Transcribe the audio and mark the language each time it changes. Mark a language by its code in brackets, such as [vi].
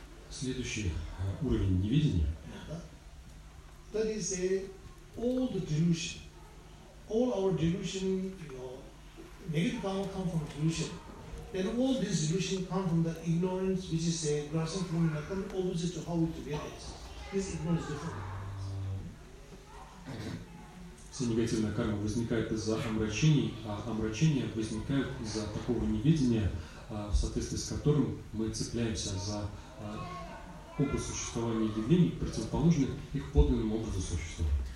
[ru] Следующий уровень неведения. [en] That is a all the delusion. All our delusion, negative power comes from delusion. And all these delusions come from the ignorance, which is a grasping from the kind of opposite to how it really is. This ignorance is different. [ru] Вся негативная карма возникает из-за омрачений, а омрачения возникают из-за такого неведения, в соответствии с которым мы цепляемся за опыт существования явлений, противоположных их подлинному образу существования.